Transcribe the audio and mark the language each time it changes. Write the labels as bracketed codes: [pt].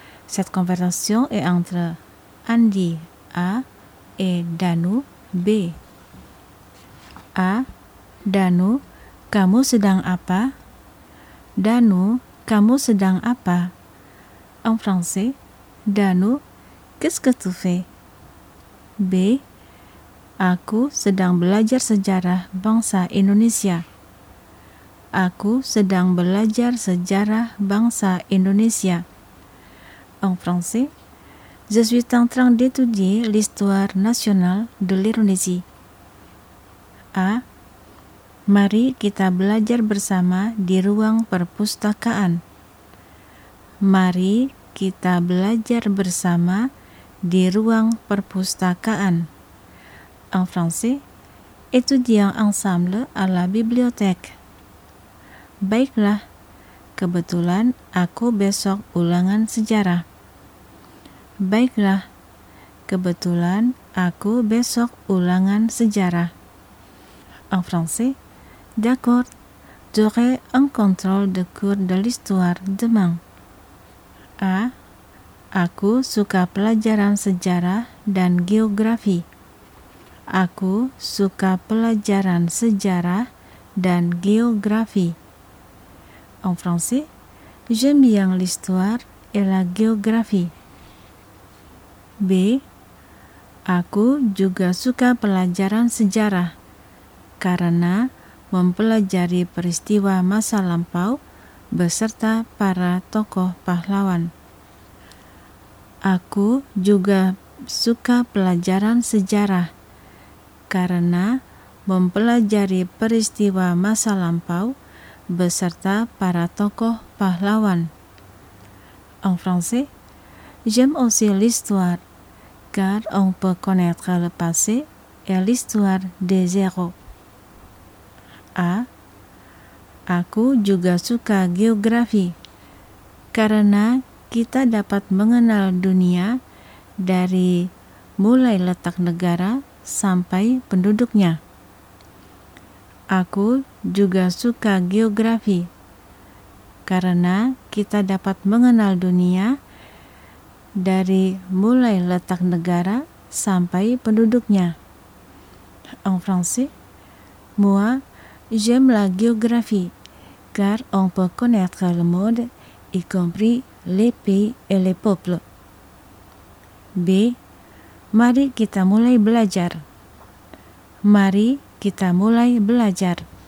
[fr] Cette conversation est entre Andy A et Danu B. A. [id] Danu, kamu sedang apa? Danu, kamu sedang apa? [fr] En français, Danu, qu'est-ce que tu fais? B. [id] Aku sedang belajar sejarah bangsa Indonesia. Aku sedang belajar sejarah bangsa Indonesia. [fr] En français, je suis en train d'étudier l'histoire nationale de l'Indonésie. [id] A. Mari kita belajar bersama di ruang perpustakaan. Mari kita belajar bersama di ruang perpustakaan. [fr] En français, étudions ensemble à la bibliothèque. [id] Baiklah, kebetulan aku besok ulangan sejarah. Baiklah, kebetulan aku besok ulangan sejarah. [fr] En français, d'accord, j'aurai un contrôle de cours de l'histoire demain. A. [id] Aku suka pelajaran sejarah dan geografi. Aku suka pelajaran sejarah dan geografi. [fr] En français, j'aime bien l'histoire et la géographie. B. [id] Aku juga suka pelajaran sejarah, karena mempelajari peristiwa masa lampau beserta para tokoh pahlawan. Aku juga suka pelajaran sejarah, karena mempelajari peristiwa masa lampau beserta para tokoh pahlawan. [fr] En français, j'aime aussi l'histoire, car on peut connaître le passé et l'histoire des héros. A. [id] Aku juga suka geografi, karena kita dapat mengenal dunia dari mulai letak negara sampai penduduknya. Aku juga suka geografi, karena kita dapat mengenal dunia dari mulai letak negara sampai penduduknya. [fr] En français, moi, j'aime la géographie, car on peut connaître le monde, y compris les pays et les peuples. B. [id] Mari kita mulai belajar. Mari kita mulai belajar.